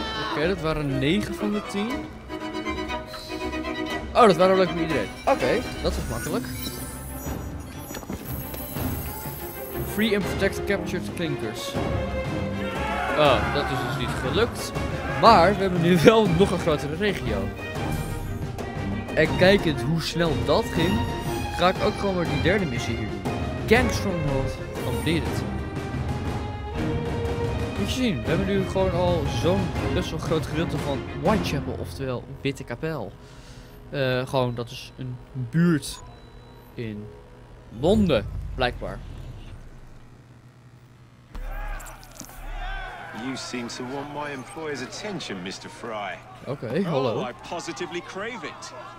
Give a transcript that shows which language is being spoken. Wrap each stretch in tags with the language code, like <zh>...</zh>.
<nl>Oké, dat waren 9 van de 10. Oh, dat waren leuk voor iedereen. Oké, dat was makkelijk.</nl> <en>Free and protect captured clinkers.</en> <nl>Oh, dat is dus niet gelukt. Maar we hebben nu wel nog een grotere regio. En kijkend hoe snel dat ging, ga ik ook gewoon weer die derde missie hier doen.</nl> <en>Gang Stronghold completed.</en> <nl>Moet je zien, we hebben nu gewoon al zo'n best wel groot gedeelte van Whitechapel, oftewel Witte Kapel. Gewoon, dat is een buurt in Londen, blijkbaar.</nl> <en>You seem to want my employer's attention, Mr. Fry. Okay, hello. Oh, I positively crave it.</en>